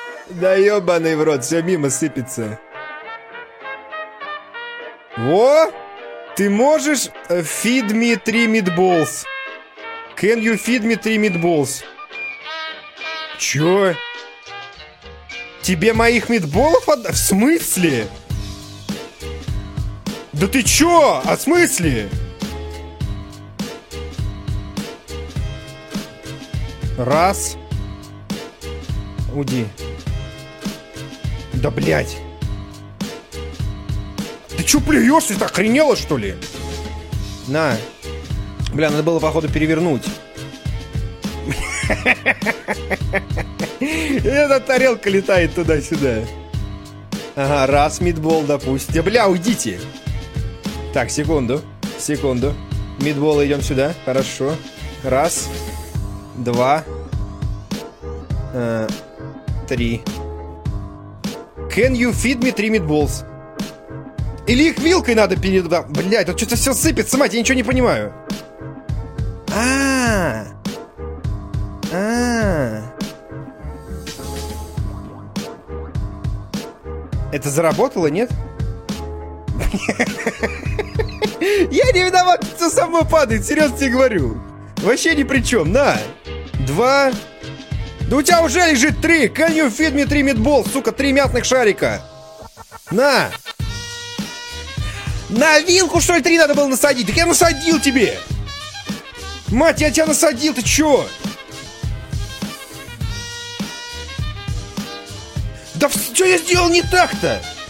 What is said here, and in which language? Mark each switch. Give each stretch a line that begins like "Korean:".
Russian: Да ебаный в рот, все мимо сыпется. Во! Ты можешь
English: feed me three meatballs? Can you feed me three meatballs?
Russian: Чё? Тебе моих митболов отдать? В смысле? Да ты чё? А в смысле? Раз. Уйди. Да блять. Ты чё плюёшься? Ты охренела, что ли? На. Бля, надо было, походу, перевернуть. Эта тарелка летает туда-сюда. Ага, раз, митбол, допустим. Да бля, уйдите. Так, секунду. Секунду. Митбол, идем сюда. Хорошо. Раз. Два. Три.
English: Can you feed me three meatballs?
Russian: Или их вилкой надо перед... Блядь, тут что-то все сыпется, мать, я ничего не понимаю. Это заработало, нет? Я не виноват, все со мной падает, серьезно тебе говорю. Вообще ни при чем, на. Два. Да у тебя уже лежит три.
English: Can you feed me three meatballs,
Russian: сука, три мятных шарика. На. На вилку, что ли, три надо было насадить? Так я насадил тебе. Мать, я тебя насадил, ты че? Да что я сделал не так-то?